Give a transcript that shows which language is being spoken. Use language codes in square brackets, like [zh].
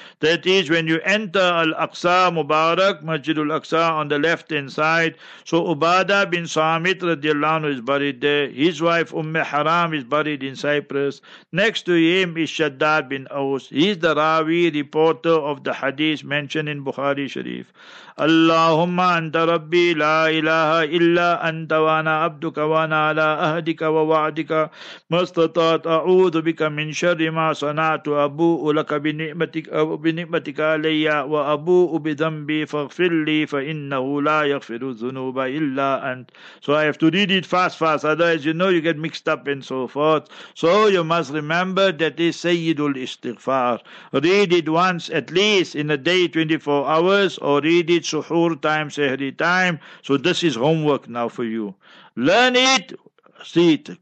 [en] That is, when you enter Al-Aqsa Mubarak, Masjid Al-Aqsa on the left-hand side, so Ubadah bin Samit radiallahu anhu is buried there. His wife Umme Haram is buried in Cyprus. Next to him is Shaddad bin Aus. He is the Rawi, reporter of the hadith mentioned in Bukhari Sharif. [ar] Allahumma anta Rabbi la ilaha إلا أنت وأنا عبدك وأنا على أهدك ووعدك ما استطعت أعوذ بك من شر ما صنعت أبوء لك بنعمتك علي وأبوء بذنبي فاغفر لي فإنه لا يغفر الذنوب إلا أنت. [en] So I have to read it fast, otherwise you know you get mixed up and so forth. So you must remember that is Sayyid al-Istighfar. Read it once at least in a day, 24 hours, or read it suhoor time, sehri time. So this is homework now for you. Learn it, see it.